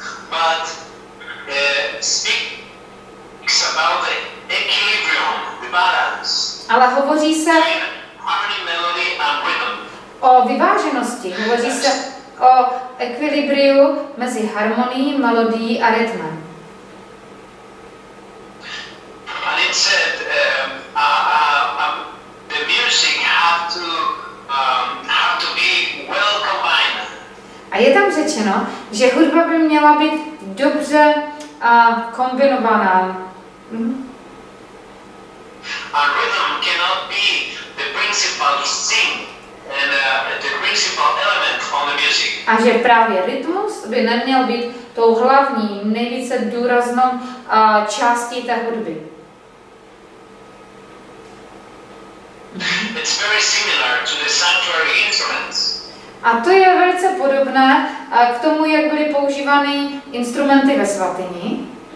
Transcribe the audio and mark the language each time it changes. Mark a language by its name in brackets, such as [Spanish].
[English] But speaks about the equilibrium, the balance. [Czech] Ale hovoří se [English] harmony, melody and rhythm. [Czech] O vyváženosti, hovoří se o ekvilibriu mezi harmonií, melodií a rytmem. [English] And it said the music have to be well combined. [Czech] A je tam řečeno, že hudba by měla být dobře kombinovaná. [English] A rhythm cannot be the principal thing and the principal element on the music. [Czech] A že právě rytmus by neměl být tou hlavní, nejvíce důraznou částí té hudby. [English] It's very similar to the sanctuary instruments. [Czech] A to je velice podobné k tomu, jak byly používány instrumenty ve svatyni.